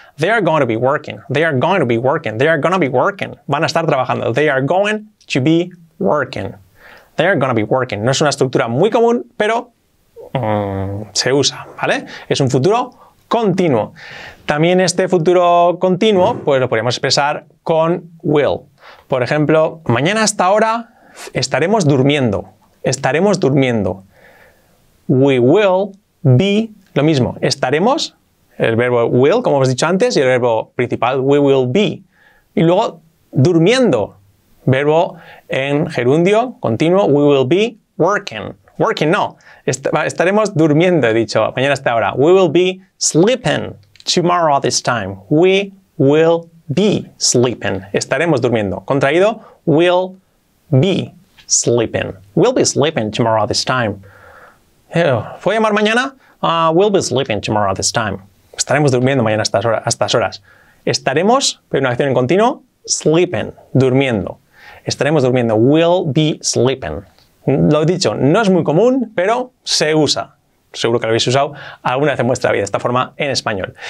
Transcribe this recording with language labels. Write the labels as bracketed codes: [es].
[en] They are going to be working. They are going to be working. They are going to be working. [es] Van a estar trabajando. [en] They are going to be working. They are going to be working. [es] No es una estructura muy común, pero se usa, ¿vale? Es un futuro continuo. También este futuro continuo, pues lo podríamos expresar con will. Por ejemplo, mañana a esta hora estaremos durmiendo. Estaremos durmiendo. [en] We will be, [es] lo mismo, estaremos, el verbo will, como hemos dicho antes, y el verbo principal, [en] we will be. [es] Y luego, durmiendo, verbo en gerundio, continuo, [en] we will be working. [es] Working, no, estaremos durmiendo, he dicho, mañana hasta ahora. [en] We will be sleeping tomorrow at this time. We will be sleeping. [es] Estaremos durmiendo. [en] Contraído, will be sleeping. We'll be sleeping tomorrow at this time. [es] ¿Voy a llamar mañana? [en] We'll be sleeping tomorrow at this time. [es] Estaremos durmiendo mañana a estas horas. Estaremos, pero una acción en continuo, sleeping, durmiendo. Estaremos durmiendo. [en] We'll be sleeping. [es] Lo he dicho, no es muy común, pero se usa. Seguro que lo habéis usado alguna vez en vuestra vida, de esta forma en español.